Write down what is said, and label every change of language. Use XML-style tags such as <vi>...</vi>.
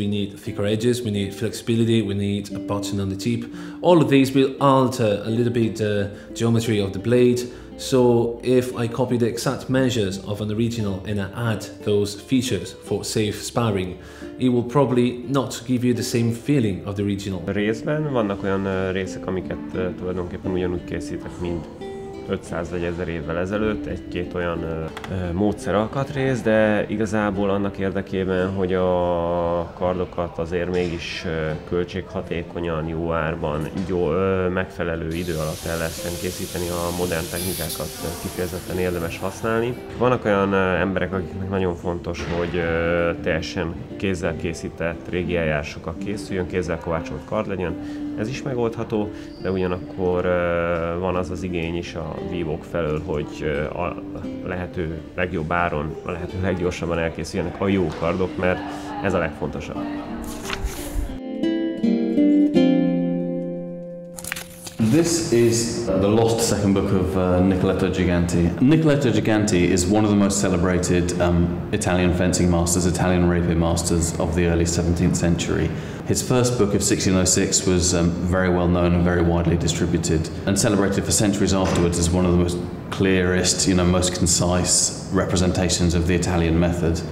<en>We need thicker edges, we need flexibility, we need a button on the tip. All of these will alter a little bit the geometry of the blade. So if I copy the exact measures of an original and I add those features for safe sparring, it will probably not give you the same feeling of the original.</en> <hu>Részben vannak olyan részek, amiket tulajdonképpen ugyanúgy készítek, mint 500 vagy 1000 évvel ezelőtt, egy-két olyan módszeralkatrész, de igazából annak érdekében, hogy a kardokat azért mégis költséghatékonyan, jó árban, megfelelő idő alatt el lehessen készíteni, a modern technikákat kifejezetten érdemes használni. Vannak olyan emberek, akiknek nagyon fontos, hogy teljesen kézzel készített régi eljárásokkal készüljön, kézzel kovácsolt kard legyen, ez is megoldható, de ugyanakkor van az az igény is a vívók felől, hogy a lehető legjobb áron, a lehető leggyorsabban elkészüljenek a jó kardok, mert ez a legfontosabb.</hu> <en>This is the lost second book of Nicoletto Giganti. Nicoletto Giganti is one of the most celebrated Italian fencing masters, Italian rapier masters of the early 17th century. His first book of 1606 was very well known and very widely distributed and celebrated for centuries afterwards as one of the most clearest, you know, most concise representations of the Italian method.</en>